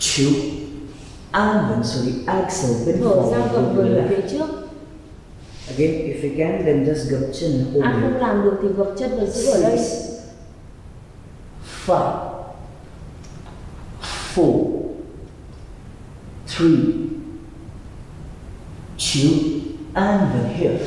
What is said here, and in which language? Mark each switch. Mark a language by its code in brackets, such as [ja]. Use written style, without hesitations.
[en] Four, three, two, and then so the exhale bend forward to the left. [vi] Phía trước. [en] Again, if you can, then just [vi] gập chân [en] hold it. [vi] Không làm được thì gập chân và giữ ở đây. [en] Six, five, four, three, two, and then here.